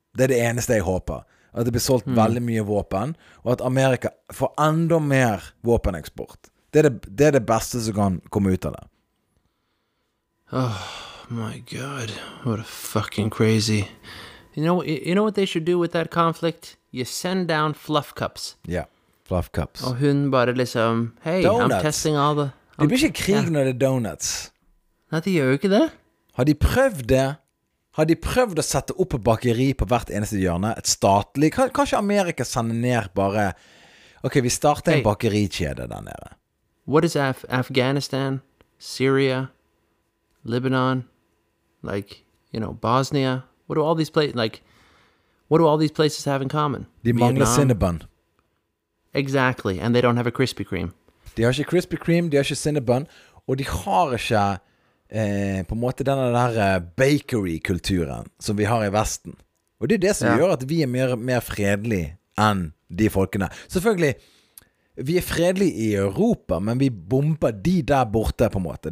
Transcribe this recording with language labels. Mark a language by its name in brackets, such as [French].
[Norwegian] Det er det eneste jeg håper. At det blir solgt veldig mye våpen, og at Amerika får enda mer våpeneksport. Det er det beste som kan komme ut av det. [English] Oh my god, what a fucking crazy. You know what they should do with that conflict? You send down fluff cups. Yeah, fluff cups. [Norwegian] Og hun bare liksom, [English] hey, donuts. I'm testing all the... [Norwegian] Det blir ikke krig når det er donuts. Nei, de gjør jo ikke det. Har de prøvd det? Har de prøvd å sette opp et bakeri på hvert eneste hjørne? Et statlig? Kanskje Amerika sender ned bare... Ok, vi starter en bakerikjede der nede. [English] What is Afghanistan, Syria, Lebanon, like, you know, Bosnia? What do all these places, like, what do all these places have in common? [Norwegian] De mangler Vietnam. Cinnabon. [English] Exactly, and they don't have a Krispy Kreme. [Norwegian] De har ikke Krispy Kreme, de har ikke Cinnabon, og de har ikke... på en måte denne der bakery-kulturen som vi har i Vesten. Og det er det som gjør at vi er mer fredelige enn de folkene. Selvfølgelig, vi er fredelige i Europa, men vi bomber de der borte på en måte.